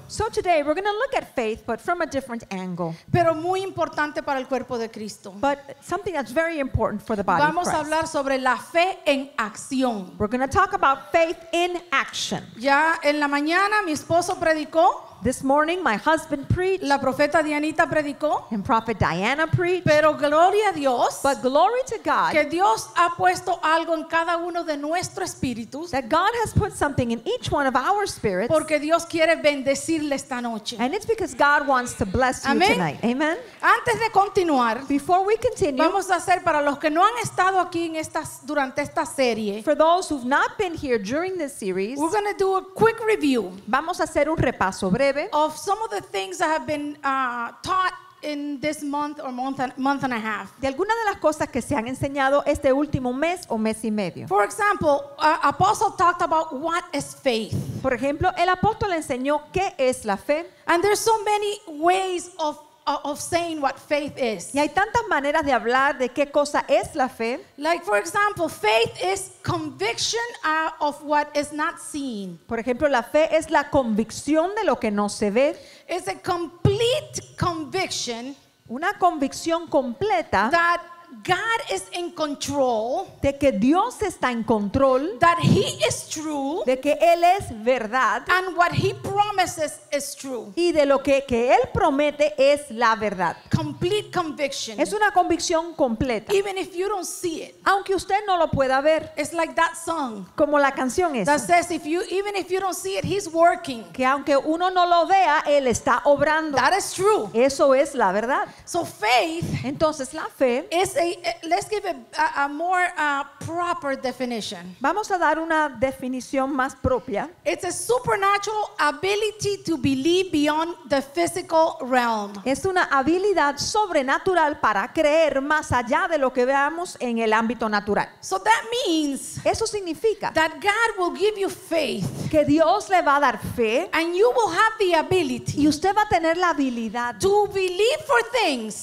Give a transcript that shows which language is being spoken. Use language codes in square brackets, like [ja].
[en] So today we're going to look at faith, but from a different angle. [es] Pero muy importante para el cuerpo de Cristo. [en] But something that's very important for the body of Christ. [es] Vamos a hablar sobre la fe en acción. [en] We're going to talk about faith in action. [es] Ya en la mañana mi esposo predicó. [en] This morning my husband preached. [es] La profeta Dianita predicó. [en] And prophet Diana preached. [es] Pero gloria a Dios. [en] But glory to God. [es] Que Dios ha puesto algo en cada uno de nuestros espíritus. [en] That God has put something in each one of our spirits. [es] Porque Dios quiere bendecirle esta noche. [en] And it's because God wants to bless you. [es] Amén. [en] Tonight. Amen. [es] Antes de continuar, [en] before we continue, [es] vamos a hacer para los que no han estado aquí en estas durante esta serie. [en] For those who've not been here during this series, we're going to do a quick review. [es] Vamos a hacer un repaso breve [en] of some of the things that have been taught in this month or month and a half. [es] De algunas de las cosas que se han enseñado este último mes o mes y medio. [en] For example, apostle talked about what is faith. [es] Por ejemplo, el apóstol enseñó qué es la fe. [en] And there's so many ways of saying what faith is. [es] Y hay tantas maneras de hablar de qué cosa es la fe. [en] Like for example, faith is conviction of what is not seen. [es] Por ejemplo, la fe es la convicción de lo que no se ve. [en] It's a complete conviction. [es] Una convicción completa. [en] That God is in control. [es] De que Dios está en control. [en] That He is true. [es] De que Él es verdad. [en] And what He promises is true. [es] Y de lo que Él promete es la verdad. [en] Complete conviction. [es] Es una convicción completa. [en] Even if you don't see it. [es] Aunque usted no lo pueda ver. [en] It's like that song. [es] Como la canción esa. [en] That says if you even if you don't see it, He's working. [es] Que aunque uno no lo vea, Él está obrando. [en] That is true. [es] Eso es la verdad. [en] So faith. [es] Entonces la fe. [en] Let's give a more proper definition. [es] Vamos a dar una definición más propia. [en] It's a supernatural ability to believe beyond the physical realm. [es] Es una habilidad sobrenatural para creer más allá de lo que veamos en el ámbito natural. [en] So that means. [es] Eso significa. [en] That God will give you faith. [es] Que Dios le va a dar fe. [en] And you will have the ability. [es] Y usted va a tener la habilidad. [en] To believe for things.